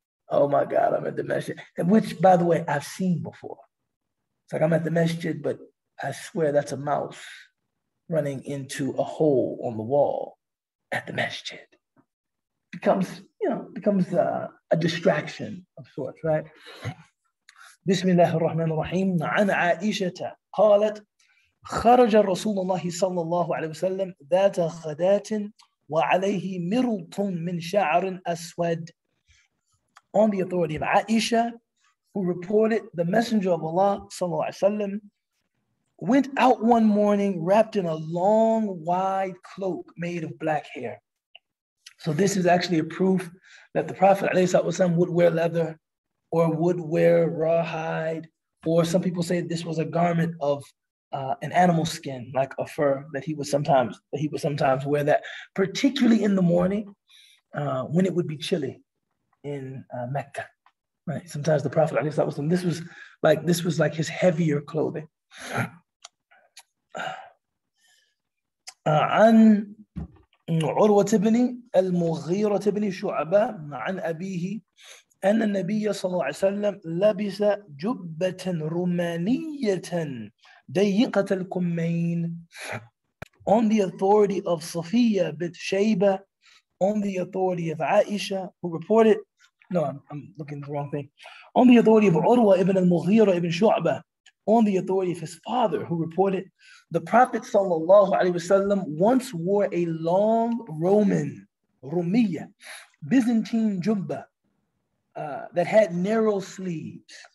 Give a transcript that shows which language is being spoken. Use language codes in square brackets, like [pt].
[en] Oh my God, I'm at the masjid. And which, by the way, I've seen before. It's like, I'm at the masjid, but I swear that's a mouse running into a hole on the wall at the masjid. Becomes a distraction of sorts, right? Bismillah ar-Rahman ar-Rahim. [ar] عن عائشة قالت خرج رسول الله صلى الله عليه وسلم ذات غداة وعليه مرط من شعر أسود. [en] On the authority of Aisha, who reported, the Messenger of Allah صلى الله عليه وسلم went out one morning wrapped in a long, wide cloak made of black hair. So this is actually a proof that the Prophet ﷺ would wear leather or would wear rawhide, or some people say this was a garment of an animal skin, like a fur, that he would sometimes wear that, particularly in the morning when it would be chilly in Mecca. Right? Sometimes the Prophet ﷺ, this was like his heavier clothing. [ar] عن عروة بن المغيرة بن شعبة عن أبيه أن النبي صلى الله عليه وسلم لبس جبة رمانية ضيقة الكمين. [en] On the authority of Safiya bint Shayba, on the authority of Aisha, who reported, I'm looking at the wrong thing. On the authority of عروة بن المغيرة بن شعبة, on the authority of his father, who reported, the Prophet sallallahu alaihi wasallam once wore a long Roman, rumiya, Byzantine jumba that had narrow sleeves.